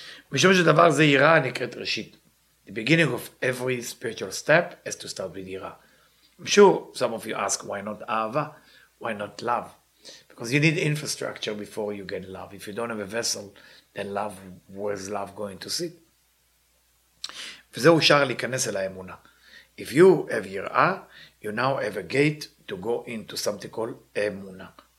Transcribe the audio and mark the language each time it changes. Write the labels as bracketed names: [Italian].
[Hebrew] Mishum Shedavar Zeh Yirah Nikret Reshit. [English] The beginning of every spiritual step has to start with Yirah. I'm sure some of you ask, why not Ahava? Why not love? Because you need infrastructure before you get love. If you don't have a vessel, then love, where's love going to sit? [Hebrew] וזהו שער להיכנס אל האמונה. [English] If you have יראה, you now have a gate to go into something called אמונה.